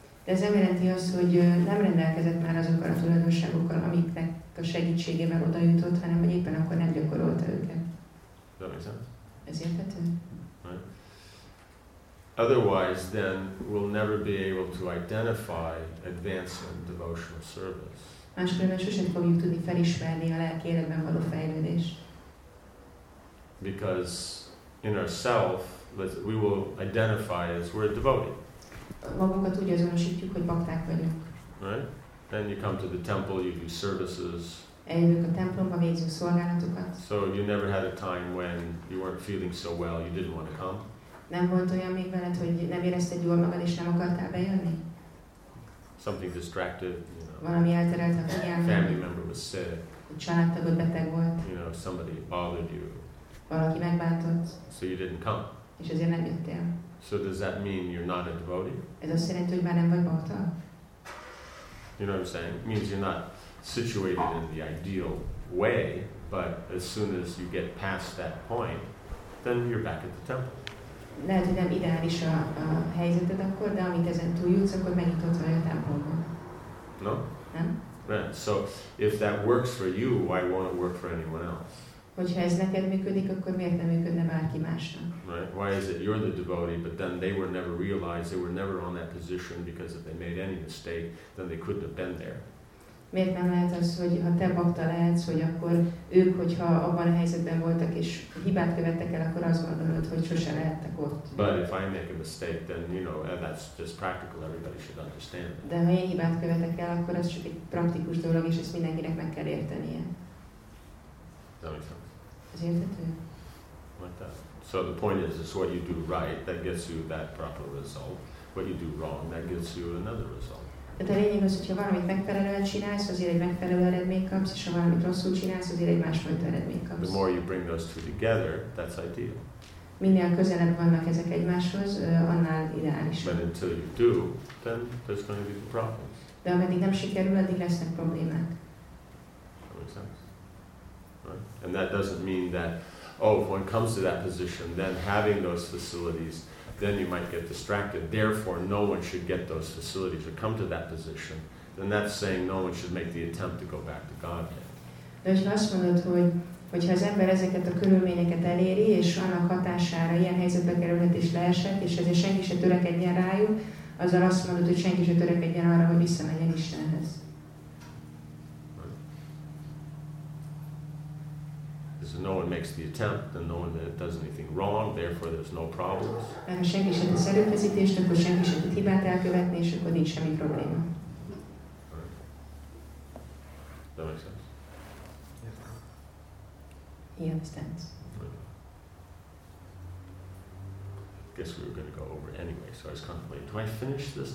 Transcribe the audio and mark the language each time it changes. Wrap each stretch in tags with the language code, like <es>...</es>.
<hu>De ez nem jelenti azt, hogy nem rendelkezett már azokkal a tulajdonságokkal, amiknek a segítségével oda jutott, hanem hogy éppen akkor nem gyakorolta őket.</hu> <en>Does that make sense?</en> <hu>Ez érthető?</hu> <en>Right. Otherwise, then, we'll never be able to identify advancement, devotional service.</en> <hu>Máskülönben sosem fogjuk tudni felismerni a lelki életben való fejlődést.</hu> <en>Because in ourself, we will identify as we're a devotee.</en> <hu>Magunkat úgy azonosítjuk, hogy bakták vagyunk.</hu> <en>Right? Then you come to the temple, you do services.</en> <hu>Eljövök a templomba, végzünk szolgálatokat.</hu> <en>So you never had a time when you weren't feeling so well, you didn't want to come?</en> <hu>Nem volt olyan még veled, hogy nem érezted jól magad, és nem akartál bejönni?</hu> <en>Something distracted, you know.</en> <hu>Valami elterelt a figyelmet.</hu> <en>Family member was sick.</en> <hu>Családtagod beteg volt.</hu> <en>You know, somebody bothered you.</en> <hu>Valaki megbántott.</hu> <en>So you didn't come.</en> <hu>És ezért nem jöttél.</hu> <en>So does that mean you're not a devotee?</en> <hu>Ez azt jelenti, hogy már nem vagy bhakta.</hu> <en>You know what I'm saying? It means you're not situated in the ideal way, but as soon as you get past that point, then you're back at the temple.</en> <hu>Lehet, hogy nem ideális a helyzeted akkor, de amint ezen túljutsz, akkor megint ott vagy a templomban.</hu> <en>No?</en> <hu>Nem?</hu> <en>Right. So, if that works for you, why won't it work for anyone else?</en> <hu>Hogyha ez neked működik, akkor miért nem működne bárki másnak?</hu> <en>Right. Why is it you're the devotee, but then they were never realized, they were never on that position, because if they made any mistake, then they couldn't have been there.</en> <hu>Miért nem lehet az, hogy ha te bhakta lehetsz, hogy akkor ők, hogyha abban a helyzetben voltak és hibát követtek el, akkor azt gondolod, hogy sose lehettek ott.</hu> <en>But if I make a mistake, then you know, that's just practical, everybody should understand that.</en> <hu>De ha én hibát követek el, akkor az csak egy praktikus dolog, és ezt mindenkinek meg kell értenie.</hu> <en>That makes sense.</en> <hu>Ez érthető?</hu> <en>What the? So the point is what you do right, that gets you that proper result. What you do wrong, that gets you another result.</en> <hu>Tehát a lényeg az, hogyha valamit megfelelően csinálsz, azért egy megfelelő eredményt kapsz, és ha valamit rosszul csinálsz, azért egy másfajta eredményt kapsz.</hu> <en>The more you bring those two together, that's ideal.</en> <hu>Minél közelebb vannak ezek egymáshoz, annál ideális.</hu> <en>But until you do, then there's going to be the problems.</en> <hu>De ameddig nem sikerül, addig lesznek problémák.</hu> <en>That makes sense. Right? And that doesn't mean that, if one comes to that position, then having those facilities, then you might get distracted. Therefore, no one should get those facilities or come to that position. Then that's saying no one should make the attempt to go back to Godhead.</en> <hu>De hogyha azt mondod, hogyha az ember ezeket a körülményeket eléri, és annak hatására ilyen helyzetbe kerülhet és leesett, és ezért senki se törekedjen rájuk, azzal azt mondod, hogy senki se törekedjen arra, hogy visszamenjen Istenhez.</hu> <en>So no one makes the attempt, then no one does anything wrong, therefore there's no problems.</en> <hu>Ha senki sem tesz előfeszítést, akkor senki sem tud hibát elkövetni, és akkor nincs semmi probléma.</hu> <en>That makes sense. He understands. I guess we were going to go over anyway, so I was contemplating, do I finish this?</en>